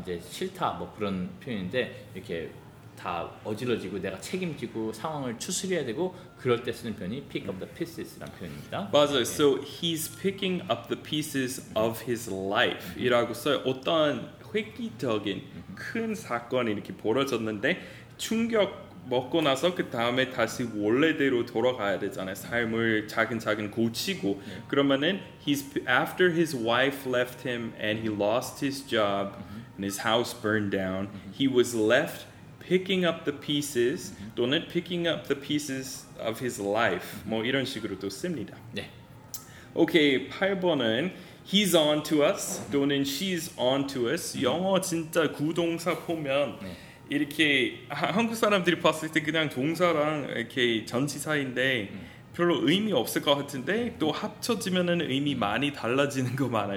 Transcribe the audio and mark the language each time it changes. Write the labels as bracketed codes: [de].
[ko] 이제 싫다 뭐 그런 표현인데 이렇게 다 어지러지고 내가 책임지고 상황을 추스려야 되고 그럴 때 쓰는 표현이 [en] pick up the pieces [ko] 라는 표현입니다. 맞아요. 네. [en] So he's picking up the pieces of his life [ko] 이라고 써요. 어떤 획기적인 큰 사건이 이렇게 벌어졌는데 충격 먹고 나서 그 다음에 다시 원래대로 돌아가야 되잖아요. 삶을 차근차근 고치고 그러면은 [en] he's after his wife left him and he lost his job and his house burned down he was left picking up the pieces, [ko] 또는 [en] picking up the pieces of his life. [ko] 뭐 이런 식으로도 씁니다. 네. [en] Okay, [ko] 8번은 [en] he's on to us, [ko] 또는 [en] she's on to us. [ko] 영어 진짜 구동사 보면 이렇게 한국 사람들이 봤을 때 그냥 동사랑 이렇게 전치사인데 별로 의미 없을 것 같은데 또 합쳐지면은 의미 많이 달라지는 거 많아요.